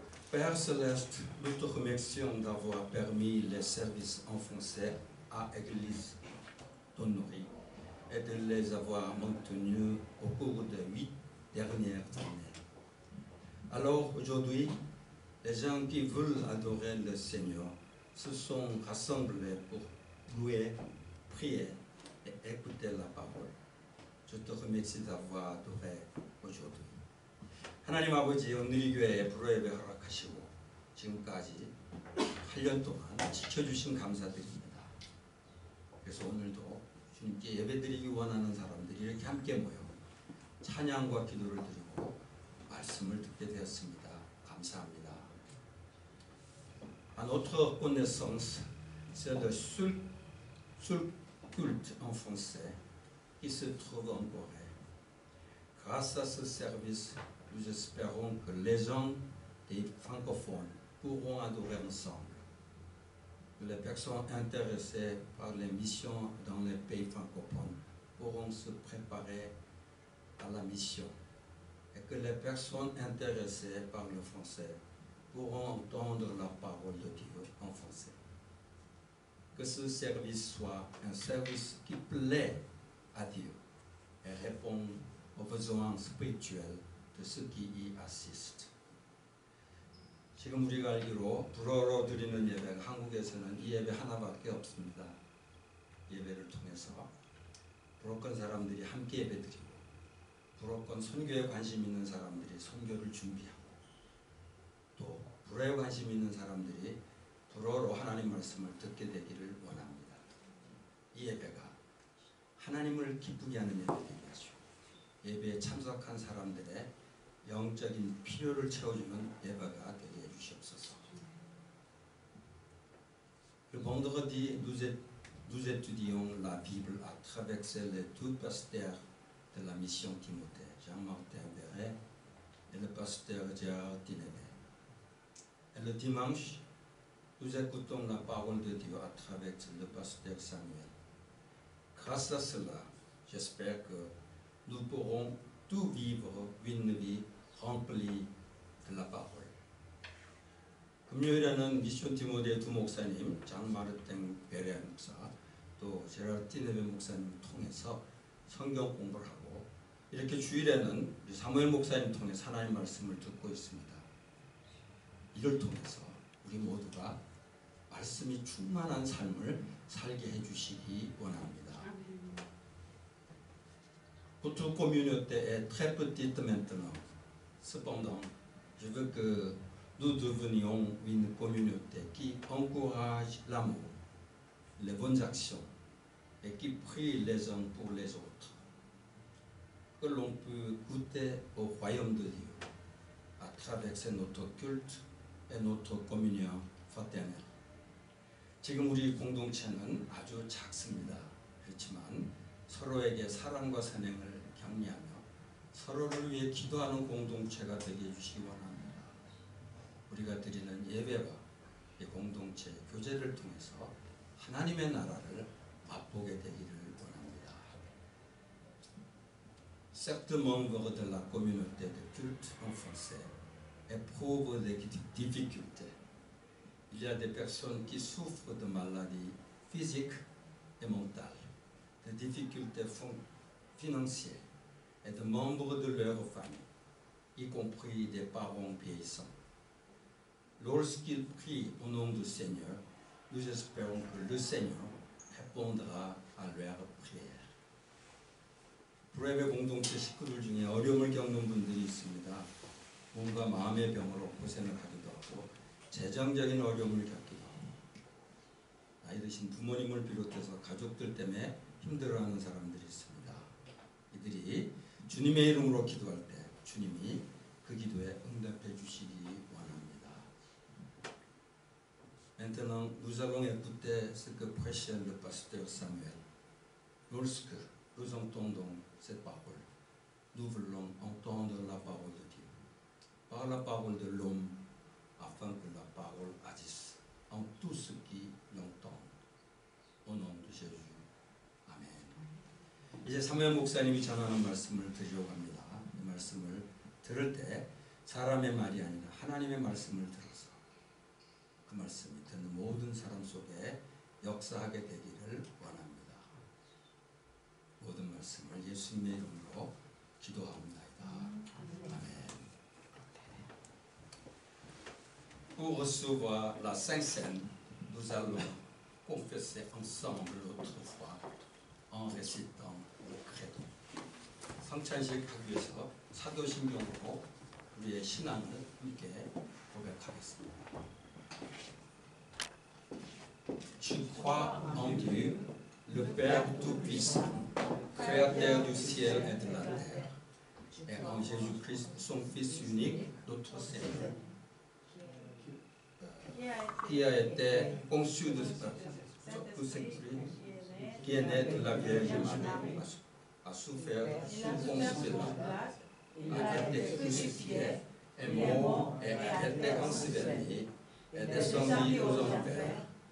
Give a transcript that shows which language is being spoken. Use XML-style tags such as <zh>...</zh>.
<fr>Père Céleste, nous te remercions d'avoir permis les services en français à l'église d'Honori et de les avoir maintenus au cours des 8 dernières années. Alors aujourd'hui, les gens qui veulent adorer le Seigneur se sont rassemblés pour louer, prier et écouter la parole. Je te remercie d'avoir adoré aujourd'hui.</fr> <ko>하나님 아버지, 오늘 이 교회에 불호예배 허락하시고 지금까지 8년 동안 지켜주신 감사드립니다. 그래서 오늘도 주님께 예배드리기 원하는 사람들이 이렇게 함께 모여 찬양과 기도를 드리고 말씀을 듣게 되었습니다. 감사합니다.</ko> <fr>À notre connaissance, c'est le seul culte en français qui se trouve en Corée. Grâce à ce service, nous espérons que les gens des francophones pourront adorer ensemble. Que les personnes intéressées par les missions dans les pays francophones pourront se préparer à la mission. Et que les personnes intéressées par le français pourront entendre la parole de Dieu en français. Que ce service soit un service qui plaît à Dieu et répond aux besoins spirituels de ceux qui y assistent.</fr> <ko>지금 우리가 알기로 불어로 드리는 예배가 한국에서는 이 예배 하나밖에 없습니다. 예배를 통해서 불어권 사람들이 함께 예배드리고 불어권 선교에 관심 있는 사람들이 선교를 준비하고 또 불어에 관심 있는 사람들이 불어로 하나님 말씀을 듣게 되기를 원합니다. 이 예배가 하나님을 기쁘게 하는 예배이겠죠. 예배에 참석한 사람들의 영적인 필요를 채워주는 예배가 되게 해주시옵소서.</ko> <fr>Le vendredi, nous étudions la Bible à travers celle du pasteur de la mission Timothée, Jean-Martin Béret, et le pasteur Gérard Tinevé. Et le dimanche, nous écoutons la parole de Dieu à travers le pasteur Samuel. Grâce à cela, j'espère que nous pourrons tout vivre une vie remplie de la parole.</fr> <ko>금요일에는 미션 티모데 두 목사님, 장마르텐 베레 목사, 또 제라르 티네베 목사님 통해서 성경 공부를 하고 이렇게 주일에는 사무엘 목사님 통해 하나님 말씀을 듣고 있습니다. 이를 통해서 우리 모두가 말씀이 충만한 삶을 살게 해주시기 원합니다. 부투 코뮤니오 때의 트레프티트 멘트는</ko> <fr>Cependant, je veux que nous devenions une communauté qui encourage l'amour, les bonnes actions et qui prie les uns pour les autres. Que l'on peut goûter au royaume de Dieu à travers notre culte et notre communion fraternelle.</fr> <ko>지금 우리 공동체는 아주 작습니다. 그렇지만 서로에게 사랑과 선행을 격려합니다. 서로를 위해 기도하는 공동체가 되게 해주시기 원합니다. 우리가 드리는 예배와 이 공동체 교제를 통해서 하나님의 나라를 맛보게 되기를 원합니다.</ko> <fr>Certes, membres de la communauté de culte en français éprouvent des difficultés. Il y a des personnes qui souffrent de maladies physiques et mentales, des difficultés financières. Et de membres de leur famille, y compris des parents vieillissants. Lorsqu'ils prient au nom du Seigneur, nous espérons que le Seigneur répondra à leur prière.</fr> <ko>브레베 공동체 식구들 중에 어려움을 겪는 분들이 있습니다. 몸과 마음의 병으로 고생을 하기도 하고 재정적인 어려움을 겪기도 하고 나이 드신 부모님을 비롯해서 가족들 때문에 힘들어하는 사람들이 있습니다. 이들이 주님의 이름으로 기도할 때 주님이 그 기도에 응답해 주시기 원합니다.</ko> <fr>Maintenant, nous allons écouter ce que prêche le pasteur Samuel. Lorsque nous entendons cette parole, nous voulons entendre la parole de Dieu par la parole de l'homme afin que la parole agisse en tous ceux qui l'entendent. Au nom de Jésus.</fr> <ko>이제 사무엘 목사님이 전하는 말씀을 드리려고 합니다. 이 말씀을 들을 때 사람의 말이 아니라 하나님의 말씀을 들어서 그 말씀이 듣는 모든 사람 속에 역사하게 되기를 원합니다. 모든 말씀을 예수님의 이름으로 기도합니다. 아멘.</ko> <fr>Pour recevoir la Sainte Cène, nous allons confesser ensemble notre foi en récitant le Credo.</fr> <ko>성찬식하기 위해서 사도신경으로 우리의 신앙을 함께 고백하겠습니다.</ko> <fr>Je crois en Dieu, le Père Tout-Puissant, Créateur du ciel et de la terre, et en Jésus-Christ, son Fils unique, notre Seigneur, qui a été conçu de Saint-Esprit, qui est né de la Vierge Marie, a souffert sous Ponce Pilate, a été crucifié, est mort et a été enseveli, est descendu aux enfers.</fr>